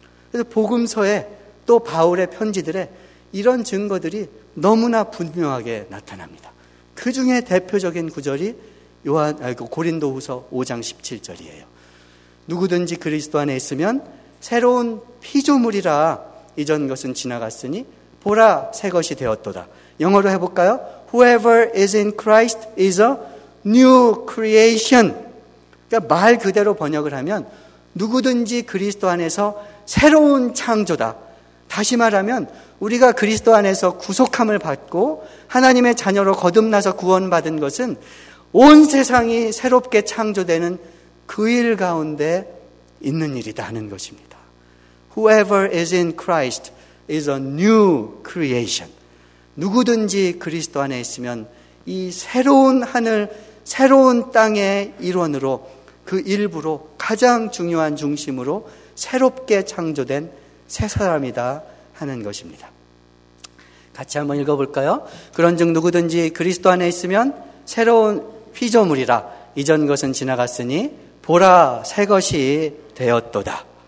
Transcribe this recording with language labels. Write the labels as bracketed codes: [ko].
[ko] 그래서 복음서에, 또 바울의 편지들에 이런 증거들이 너무나 분명하게 나타납니다. 그 중에 대표적인 구절이 고린도후서 5장 17절이에요. 누구든지 그리스도 안에 있으면 새로운 피조물이라, 이전 것은 지나갔으니 보라 새것이 되었도다. 영어로 해볼까요? [en] Whoever is in Christ is a new creation. [ko] 그러니까 말 그대로 번역을 하면 누구든지 그리스도 안에서 새로운 창조다. 다시 말하면 우리가 그리스도 안에서 구속함을 받고 하나님의 자녀로 거듭나서 구원받은 것은 온 세상이 새롭게 창조되는 그 일 가운데 있는 일이다 하는 것입니다. [en] Whoever is in Christ is a new creation. [ko] 누구든지 그리스도 안에 있으면 이 새로운 하늘, 새로운 땅의 일원으로, 그 일부로, 가장 중요한 중심으로 새롭게 창조된 새 사람이다 하는 것입니다. 같이 한번 읽어볼까요? 그런즉 누구든지 그리스도 안에 있으면 새로운 피조물이라, 이전 것은 지나갔으니 보라 새것이 되었도다.